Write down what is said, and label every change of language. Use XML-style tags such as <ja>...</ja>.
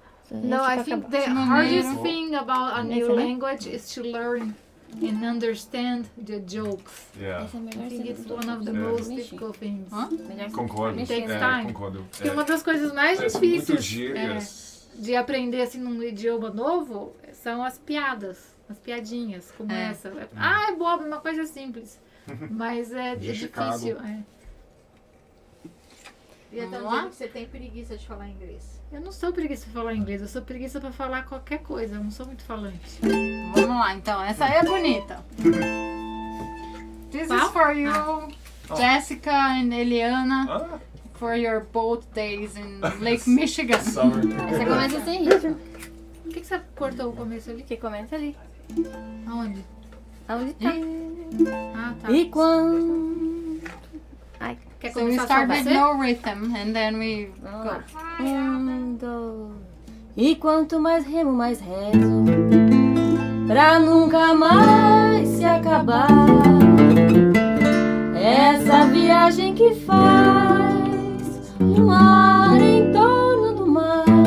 <en>No, I think the hardest thing about a new language is to learn and understand the jokes. Yeah. I think it's one of the most difficult things.</en> <pt>Concordo.</pt> <en>It takes time.</en> <pt>Concordo. E uma das coisas mais difíceis de aprender assim num idioma novo são as piadas, as piadinhas, como essa. Ah, é bobo, é uma coisa simples. Mas é difícil. E até dizendo que você tem preguiça de falar inglês. Eu não sou preguiça pra falar inglês, eu sou preguiça pra falar qualquer coisa, eu não sou muito falante. Vamos lá então, essa aí é bonita.</pt> <en>This is for you, Jessica and Eliana, for your boat days in Lake Michigan. Summer.</en> <pt>Você começa sem ritmo. Por que você cortou o começo ali? Que começa ali. Aonde? Aonde tá? Ah, tá. E quando?</pt> <en>So we start with no rhythm, and then we go.</en> <pt>Remando. E quanto mais remo, mais rezo, pra nunca mais se acabar. Essa viagem que faz o mar em torno do mar.</pt>